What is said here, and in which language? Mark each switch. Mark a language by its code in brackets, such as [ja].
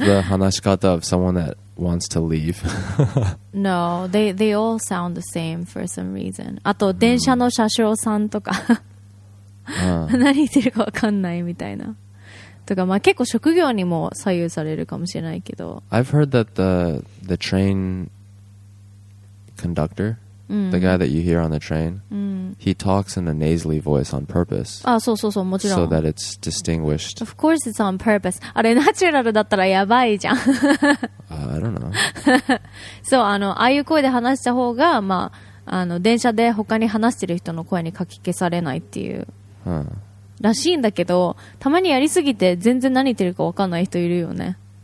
[en] the 話し方 of someone that wants to leave? No, they all sound the same for some reason. [ja] あと電車の車掌さんとか、何言ってるか分かんないみたいな。とか、まあ結構職業にも左右されるかもしれないけど。 [en] I've heard that the train conductor, the guy that you hear on the train, he talks in a nasally voice on purpose. [ja] あ、そうそうそう、もちろん。 [en] So that it's distinguished. Of course it's on purpose. [ja] あれナチュラルだったらやばいじゃん。 [en] I don't know. [ja] そう、 ああいう声で話した方が、まあ、電車で他に話してる人の声にかき消されないっていう。らしいんだけど、たまにやりすぎて全然何言ってるか分かんない人いるよね。